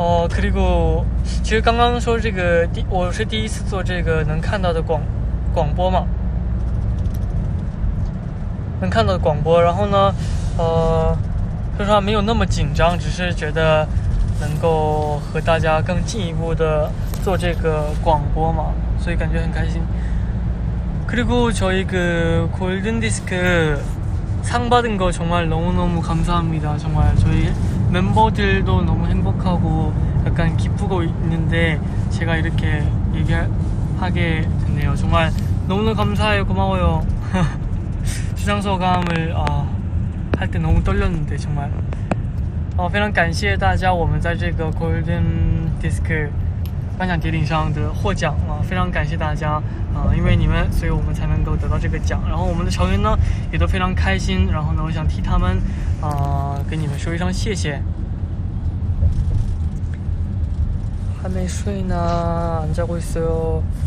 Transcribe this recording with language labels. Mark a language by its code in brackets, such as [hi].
[zh] 그리고 其实刚刚说这个第我是第一次做这个能看到的广播嘛，能看到的广播，然后呢，说实话没有那么紧张，只是觉得能够和大家更进一步的做这个广播嘛，所以感觉很开心。 [ko] 그리고 저희 그 골든디스크 상 받은 거 정말 너무너무 감사합니다. 정말 저희 멤버들도 너무 행복하고 약간 기쁘고 있는데 제가 이렇게 얘기하게 됐네요. 정말 너무너무 감사해요. 고마워요. 주상소감을 할 때 너무 떨렸는데 정말 [zh] 非常感谢大家我们在这个 골든디스크 颁奖典礼上的获奖，非常感谢大家，因为你们，所以我们才能够得到这个奖。然后我们的成员呢，也都非常开心。然后呢，我想替他们，跟你们说一声谢谢。还没睡呢， [ko] 앉자고 있어요.